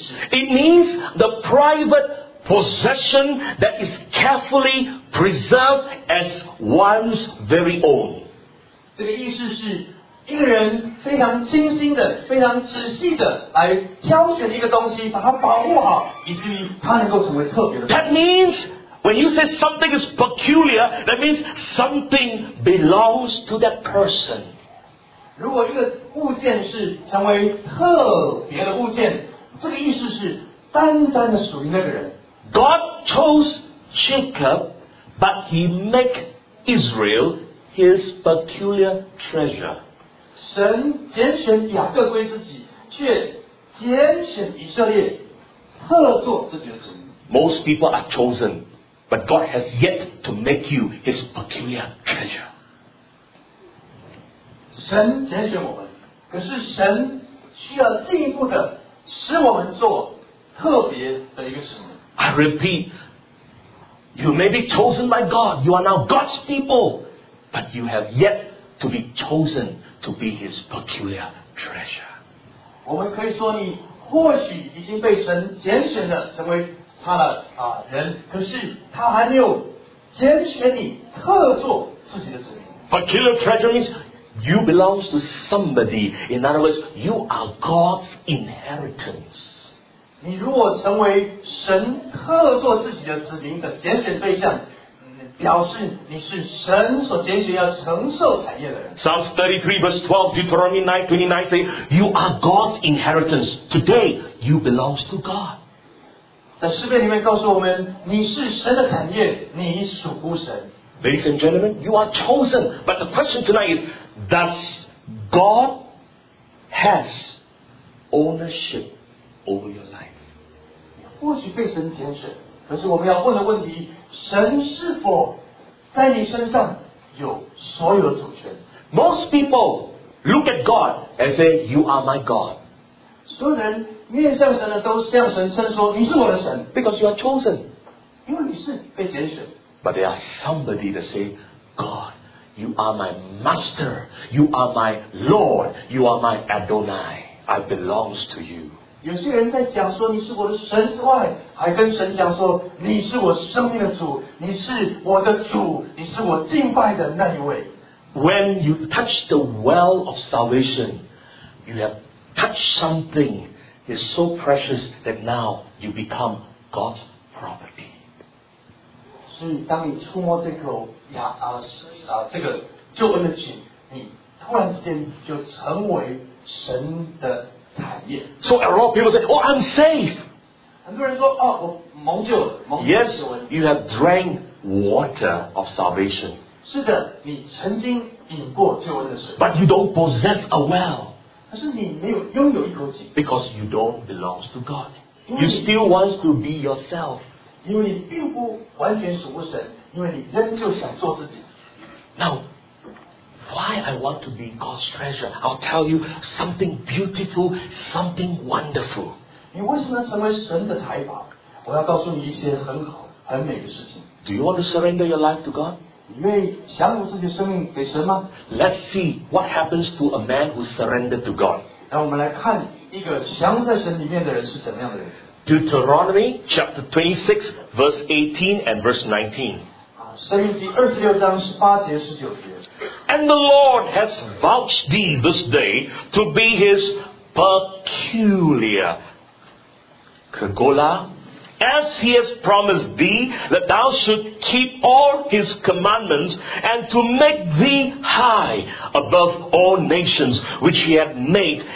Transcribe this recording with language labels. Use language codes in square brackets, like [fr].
[en] It means the private possession that is carefully preserved as one's very own. [zh] 这个意思是一个人非常精心的、非常仔细的来挑选一个东西，把它保护好，以至于它能够成为特别的。 [en] That means when you say something is peculiar, that means something belongs to that person. [zh] 如果一个物件是成为特别的物件，这个意思是单单的属于那个人。 [en] God chose Jacob, but He make Israel His peculiar treasure. [zh] 神拣选雅各归自己，却拣选以色列特作自己的子民。 [en] Most people are chosen, but God has yet to make you His peculiar treasure. [zh] 神拣选我们，可是神需要进一步的使我们做特别的一个使命。 [en] I repeat, you may be chosen by God, you are now God's people, but you have yet to be chosen to be His peculiar treasure. [zh] 我们可以说你或许已经被神拣选了，成为他的人，可是他还没有拣选你特作自己的子民。 [en] Peculiar treasure means You belong to somebody. In other words, you are God's inheritance. [zh] 你如果成为神特作自己的子民的拣选对象，表示你是神所拣选要承受产业的人。 [en] Psalms 33 verse 12, Deuteronomy 9:29 say, "You are God's inheritance. Today, you belong to God." [zh] 在诗篇里面告诉我们，你是神的产业，你属乎神。 [en] Ladies and gentlemen, you are chosen. But the question tonight is, does God has ownership over your life? [zh] 或许被神拣选，可是我们要问的问题，神是否在你身上有所有主权？ [en] Most people look at God and say, "You are my God." [zh] 所有人面向神的都向神称说，你是我的神。 [en] Because you are chosen. [zh] 因为你是被拣选。 [en] But there are somebody that say, "God, you are my master, you are my Lord, you are my Adonai. I belong to you." [zh] 有些人在讲说你是我的神之外，还跟神讲说你是我生命的主，你是我的主，你是我敬拜的那一位。 [en] When you touch the well of salvation, you have touched something that is so precious that now you become God's property. [zh] 所以当你触摸这口这个救恩的井，你突然之间就成为神的产业。 [en] So a lot of people say, "Oh, I'm safe." [zh] 很多人说，哦，我蒙救了，蒙救了。 [en] Yes, you have drank water of salvation. [zh] 是的，你曾经饮过救恩的水。 [en] But you don't possess a well. [zh] 但是你没有拥有一口井。 [en] Because you don't belong to God. You still want to be yourself. [zh] 因为你并不完全属乎神，因为你仍旧想做自己。 [en] Now, why I want to be God's treasure? I'll tell you something beautiful, something wonderful. [zh] 你为什么成为神的财宝？我要告诉你一些很好、很美的事情。 [en] Do you want to surrender your life to God? [zh] 你愿意降服自己的生命给神吗？ [en] Let's see what happens to a man who surrendered to God. [zh] 让我们来看一个降服在神里面的人是怎么样的人。 [en] Deuteronomy chapter 26 verse 18 and verse 19. [zh] 申命记二十六章十八节十九节。 [en] And the Lord has vouched thee this day to be His peculiar kegola, as He has promised thee that thou should keep all His commandments and to make thee high above all nations which He had made.